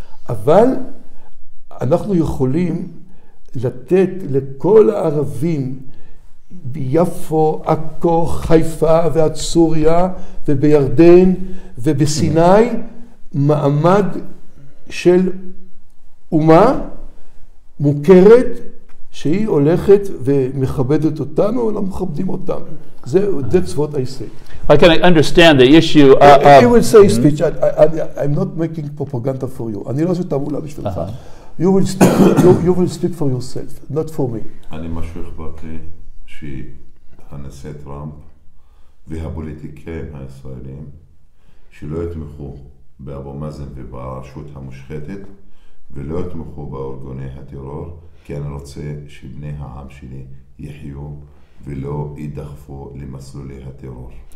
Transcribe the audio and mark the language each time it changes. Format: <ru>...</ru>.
<he>אבל אנחנו יכולים לתת לכל הערבים ביפו, עכו, חיפה ועד סוריה ובירדן ובסיני מעמד של אומה מוכרת שהיא הולכת ומכבדת אותנו ולא מכבדים אותם.</he> <en>זה, that's what I say. I can understand the issue. You will say speech. I'm not making propaganda for you.</en> <he>אני לא עושה תעמולה בשבילך.</he> <en>You will speak for yourself, not for me.</en> <he>אני משהו אכפת לי שהנשיא טראמפ והפוליטיקאים הישראלים שלא יתמכו באבו מאזן וברשות המושחתת ולא יתמכו בארגוני הטרור, כי אני רוצה שבני העם שלי יחיו ולא ידחפו למסלולי הטרור.</he>